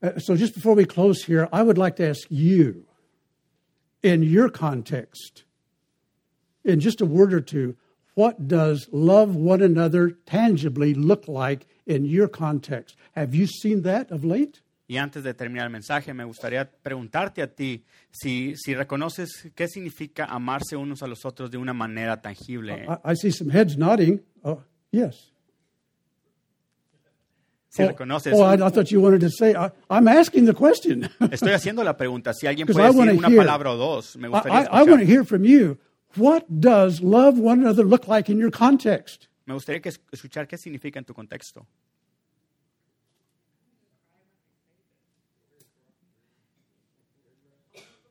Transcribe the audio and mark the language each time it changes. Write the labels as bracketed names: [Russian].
[English] So just before we close here, I would like to ask you, in your context, in just a word or two, what does love one another tangibly look like in your context? Have you seen that of late? [Spanish] Y antes de terminar el mensaje, me gustaría preguntarte a ti si reconoces qué significa amarse unos a los otros de una manera tangible. [English] I see some heads nodding. Yes. [Spanish] Si reconoces. [English] I thought you wanted to say. I'm asking the question. [Spanish] Estoy haciendo la pregunta. Si alguien puede decir palabra o dos, me gustaría escuchar. [English] I want to hear from you. What does love one another look like in your context? [Spanish] Me gustaría escuchar qué significa en tu contexto. [English] Okay.